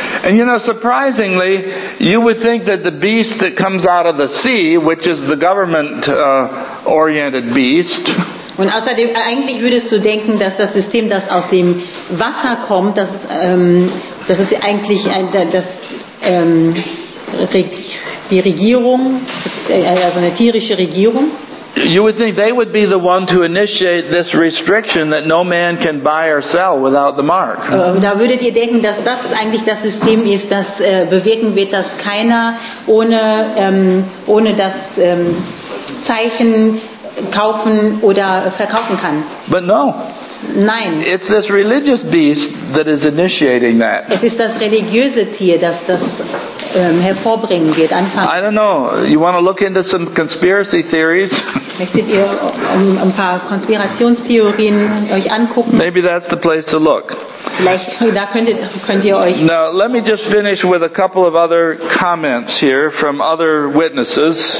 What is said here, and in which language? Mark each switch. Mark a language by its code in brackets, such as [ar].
[en] And you know, surprisingly, you would think that the beast that comes out of the sea, which is the government-oriented beast. [de] Und außerdem, eigentlich würdest du denken, dass das System, das aus dem Wasser kommt, das ist eigentlich eine tierische Regierung. [en] You would think they would be the one to initiate this restriction that no man can buy or sell without the mark. [de] Da würdet ihr denken, dass das eigentlich das System ist, das bewirken wird, dass keiner ohne das Zeichen kaufen oder verkaufen kann. [en] But no. [de] Nein. [en] It's this religious beast that is initiating that. [de] Es ist das religiöse Tier, das hervorbringen wird, anfangen. [en] I don't know. You want to look into some conspiracy theories? [de] Möchtet ihr ein paar Konspirationstheorien euch angucken? [en] Maybe that's the place to look. [de] Vielleicht da könnt ihr euch. [en] Now let me just finish with a couple of other comments here from other witnesses.